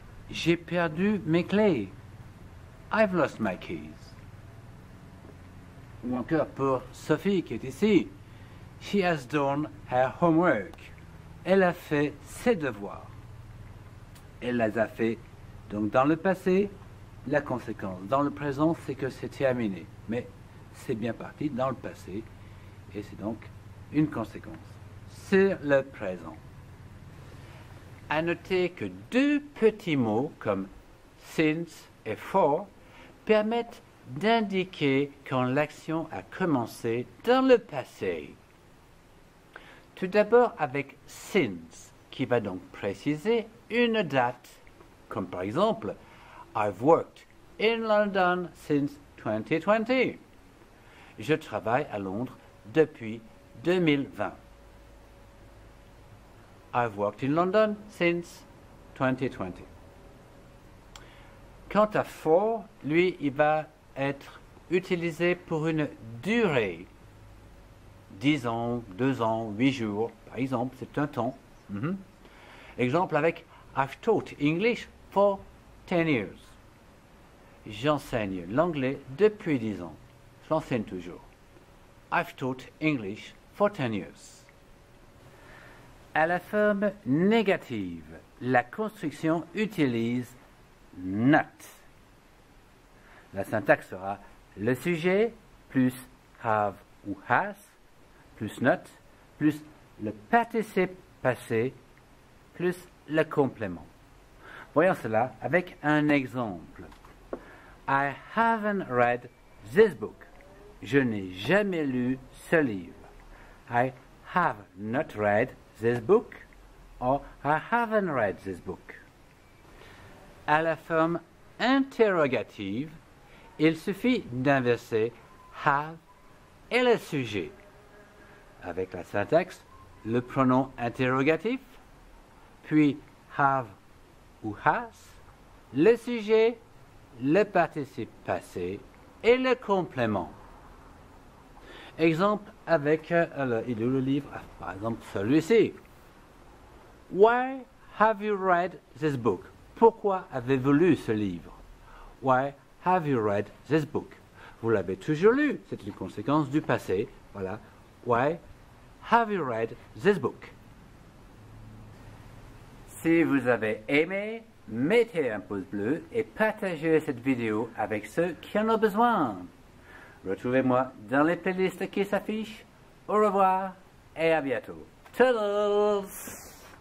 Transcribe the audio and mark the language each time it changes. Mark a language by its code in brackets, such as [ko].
[fr] J'ai perdu mes clés. [en] I've lost my keys. [fr] Ou encore pour Sophie qui est ici. [en] She has done her homework. [fr] Elle a fait ses devoirs. Elle les a fait donc dans le passé. La conséquence dans le présent, c'est que c'est terminé. Mais c'est bien parti dans le passé. Et c'est donc une conséquence sur le présent. À noter que deux petits mots comme since et for permettent d'indiquer quand l'action a commencé dans le passé. Tout d'abord avec since, qui va donc préciser une date, comme par exemple [en] I've worked in London since 2020. [fr] Je travaille à Londres depuis 2020. [en] I've worked in London since 2020. [fr] Quant à for, lui, il va être utilisé pour une durée. 10 ans, 2 ans, 8 jours, par exemple, c'est un temps. Mm-hmm. Exemple avec [en] I've taught English for 10 years. [fr] J'enseigne l'anglais depuis 10 ans. Je l'enseigne toujours. [en] I've taught English for 10 years. [fr] À la forme négative, la construction utilise not. La syntaxe sera le sujet plus have ou has plus not plus le participe passé plus le complément. Voyons cela avec un exemple. [en] I haven't read this book. [fr] Je n'ai jamais lu ce livre. [en] I have not read this book, or I haven't read this book. [fr] À la forme interrogative, il suffit d'inverser have et le sujet. Avec la syntaxe, le pronom interrogatif, puis have ou has, le sujet, le participe passé et le complément. Exemple avec le livre, par exemple celui-ci. [en] Why have you read this book? [fr] Pourquoi avez-vous lu ce livre? [en] Why have you read this book? [fr] Vous l'avez toujours lu, c'est une conséquence du passé. Voilà. [en] Why have you read this book? [fr] Si vous avez aimé, mettez un pouce bleu et partagez cette vidéo avec ceux qui en ont besoin. Retrouvez-moi dans les playlists qui s'affichent. Au revoir et à bientôt. Toodles!